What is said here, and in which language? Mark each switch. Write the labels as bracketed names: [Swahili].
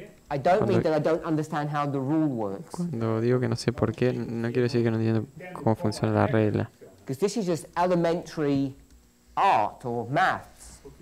[English] I don't mean that I don't understand how the rule works. [Spanish] Cuando digo que no sé por qué, no quiero decir que no entiendo cómo funciona la regla. [English] Because this is just elementary art or maths.